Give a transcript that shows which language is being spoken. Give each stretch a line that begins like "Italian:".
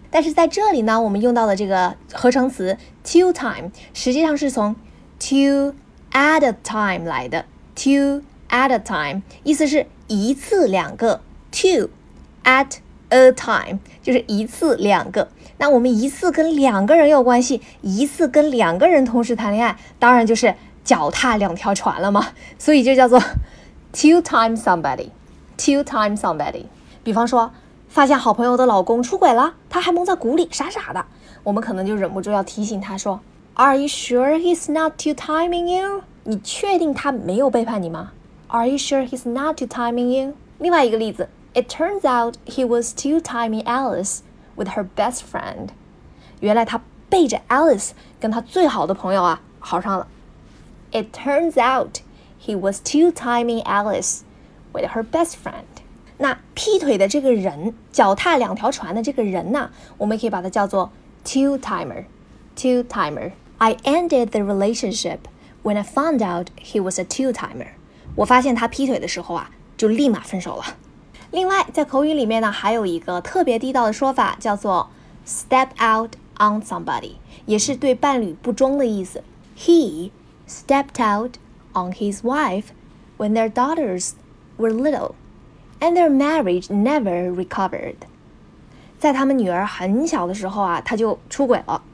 Chinese: 但是在这里呢，我们用到的这个合成词 two time， 实际上是从 two at a time 来的， two at a time， 意思是一次两个， two at a time 就是一次两个，那我们一次跟两个人有关系，一次跟两个人同时谈恋爱，当然就是脚踏两条船了嘛，所以就叫做 two time somebody， two time somebody。比方说发现好朋友的老公出轨了，他还蒙在鼓里傻傻的，我们可能就忍不住要提醒他说，
English: Are you sure he's not two timing you？
Chinese: 你确定他没有背叛你吗？
English: Are you sure he's not two timing you？
Chinese: 另外一个例子，
English: It turns out he was two-timing Alice with her best friend.
Chinese: 原来他背着 Alice 跟他最好的朋友啊好上了。
English: It turns out he was two-timing Alice with her best friend.
Chinese: 那劈腿的这个人，脚踏两条船的这个人呢，我们可以把它叫做 two-timer. Two-timer.
English: I ended the relationship when I found out he was a two-timer.
Chinese: 我发现他劈腿的时候啊，就立马分手了。另外在口语里面呢还有一个特别地道的说法，叫做 step out on somebody， 也是对伴侣不忠的意思。
English: He stepped out on his wife when their daughters were little and their marriage never recovered。
Chinese: 在他们女儿很小的时候啊，他就出轨了。